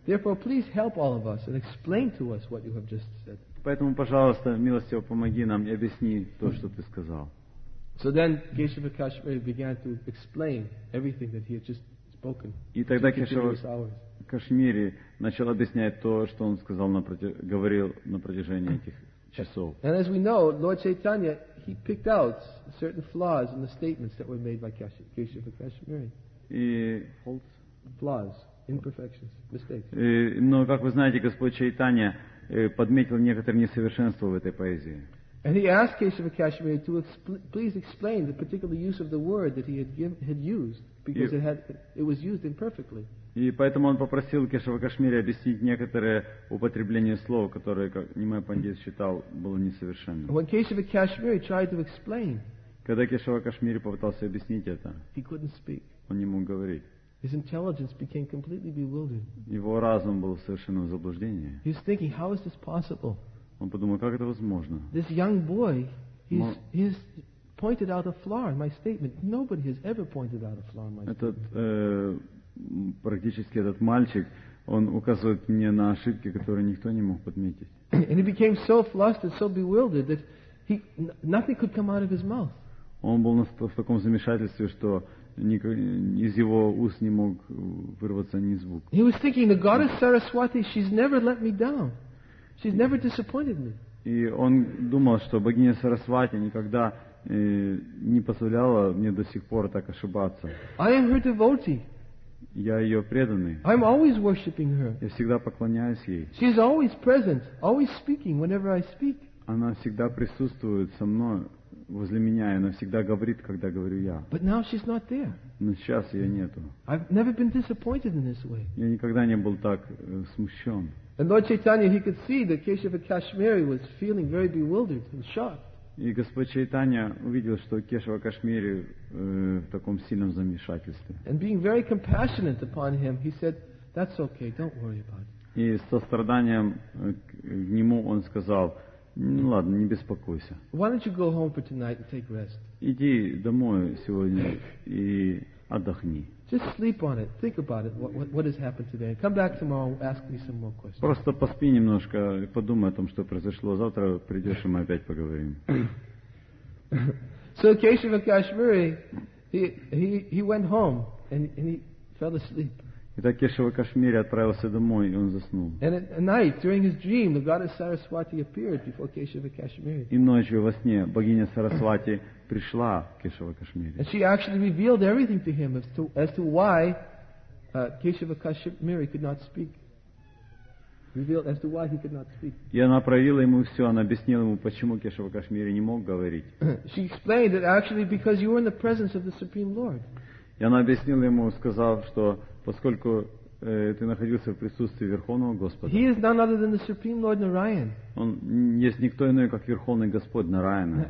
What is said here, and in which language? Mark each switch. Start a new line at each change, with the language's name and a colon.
English: Therefore, please help all of us and explain to us what you have just said.
Russian: Поэтому, пожалуйста, милостиво помоги нам и объясни то, что ты сказал.
English: So then Keshava Kashmiri began to explain everything that he had just spoken.
Russian: И тогда Кешава Кашмири начал объяснять то, что он сказал говорил на протяжении этих часов.
English: And as we know, Lord Chaitanya, he picked out certain flaws in the statements that were made by Keshava Kashmiri. Flaws, imperfections, mistakes.
Russian: Но, как вы знаете, Господь Чайтанья подметил некоторые несовершенства в этой поэзии.
English: And he asked Keshava Kashmir to please explain the particular use of the word that he had used, because it was used imperfectly.
Russian: И поэтому он попросил Кешава Кашмири объяснить некоторое употребление слова, которое, как Нимай Пандит считал, было несовершенным.
English: When Keshava Kashmir tried to explain,
Russian: когда Кешава Кашмири попытался объяснить это,
English: he couldn't speak.
Russian: Он не мог говорить.
English: His intelligence became completely bewildered.
Russian: Его разум был совершенно в заблуждении.
English: He's thinking, how is this possible?
Russian: Он подумал, как это возможно?
English: This young boy, he's pointed out a flaw in my statement. Nobody has ever pointed out a flaw in my statement.
Russian: Практически этот мальчик, он указывает мне на ошибки, которые никто не мог подметить.
English: And he became so flustered, so bewildered that nothing could come out of his mouth.
Russian: Он был в таком замешательстве, что из его уст не мог вырваться ни звук.
English: He was thinking, the goddess Saraswati, she's never let me down. She's never disappointed me.
Russian: И он думал, что богиня Сарасвати никогда не позволяла мне до сих пор так ошибаться.
English: I am her devotee.
Russian: Я ее преданный.
English: I'm always worshiping her.
Russian: Я всегда поклоняюсь ей.
English: She's always present, always speaking whenever I speak.
Russian: Она всегда присутствует со мной, возле меня, и она всегда говорит, когда говорю я.
English: But now she's not there.
Russian: Но сейчас ее нету.
English: I've never been disappointed in this way.
Russian: Я никогда не был так смущен.
English: And Lord Chaitanya, he could see that Keshava Kashmiri was feeling very bewildered and shocked.
Russian: И Господь Чайтанья увидел, что Кешава Кашмири в таком сильном замешательстве.
English: And being very compassionate upon him, he said, "That's okay, don't worry about it."
Russian: И с состраданием к нему он сказал, ну ладно, не беспокойся.
English: Why don't you go home for tonight and take rest?
Russian: Иди домой сегодня и отдохни.
English: Just sleep on it. Think about it. What has happened today? Come back tomorrow. Ask me some more questions.
Russian: Просто поспи немножко, подумай о том, что произошло. Завтра придешь, и мы опять поговорим.
English: So Keshava Kashmiri, he went home and he fell asleep.
Russian: Итак, Кешава Кашмири отправился домой, и он заснул.
English: And at night, during his dream, the goddess Saraswati appeared before Keshava Kashmiri.
Russian: И ночью во сне богиня Сарасвати пришла к Кешава Кашмири.
English: And she actually revealed everything to him as to why Кешава Кашмири could not speak. Revealed as to why he could not speak.
Russian: И она проявила ему все, она объяснила ему, почему Кешава Кашмири не мог говорить.
English: She explained that actually because you were in the presence of the Supreme Lord.
Russian: И она объяснила ему, сказав, что поскольку ты находился в присутствии Верховного Господа.
English: He is none other than the Supreme Lord Narayan.
Russian: Он есть никто иной, как Верховный Господь Нараяна.